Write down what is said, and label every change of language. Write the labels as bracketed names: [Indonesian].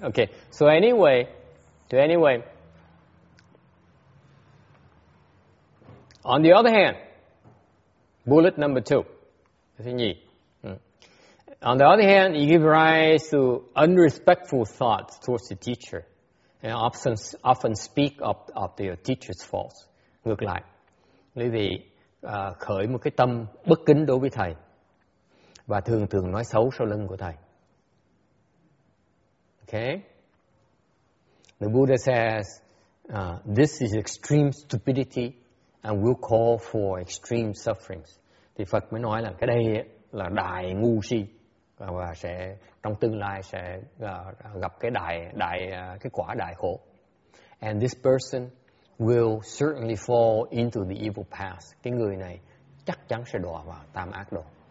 [English] Okay, so anyway, on the other hand, bullet number two. On the other hand, you give rise to unrespectful thoughts towards the teacher. and often speak of their teacher's faults. [Vietnamese] Ngược lại, quý vị khởi một cái tâm bất kính đối với thầy và thường thường nói xấu sau lưng của thầy. [English] Okay. The Buddha says this is extreme stupidity and will call for extreme sufferings. [Vietnamese] Thì Phật mới nói là cái đây là đại ngu si và sẽ trong tương lai sẽ gặp cái cái quả đại khổ. [English] And this person will certainly fall into the evil path. [Vietnamese] Cái người này chắc chắn sẽ đọa vào tam ác đồ.